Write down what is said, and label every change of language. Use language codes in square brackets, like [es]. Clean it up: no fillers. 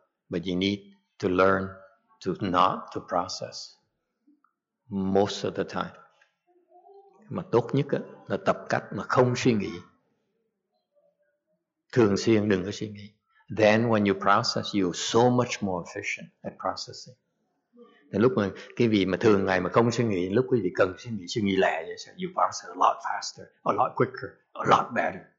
[en] But you need to learn to not to process most of the time. [vi] Mà tốt nhất là tập cách mà không suy nghĩ. Thường xuyên đừng có suy nghĩ. [en] Then when you process, you're so much more efficient at processing. [vi] Thì lúc mà cái vị mà thường ngày mà không suy nghĩ, lúc quý vị cần suy nghĩ lẹ vậy, [en] so you process a lot faster, a lot quicker, a lot better.